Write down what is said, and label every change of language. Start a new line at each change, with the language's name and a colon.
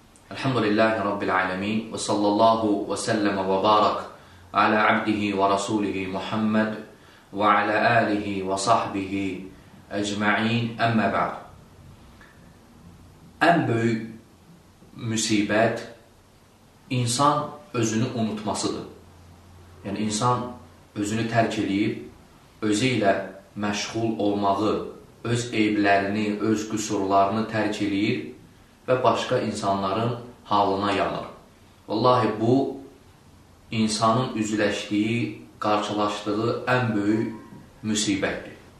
Arabic: الحمد لله رب العالمين، وصلى الله وسلم وبارك على عبده ورسوله محمد وعلى آله وصحبه أجمعين، أما بعد.
Turkish: En büyük musibet insan özünü unutmasıdır.
Azerbaijani: Yani insan özünü terk edip özüyle meşgul olmağı, öz eyblərini, öz qüsurlarını tərk eləyir və başqa insanların halına yanır. Vallahi bu, insanın üzləşdiyi, qarşılaşdığı ən böyük müsibətdir.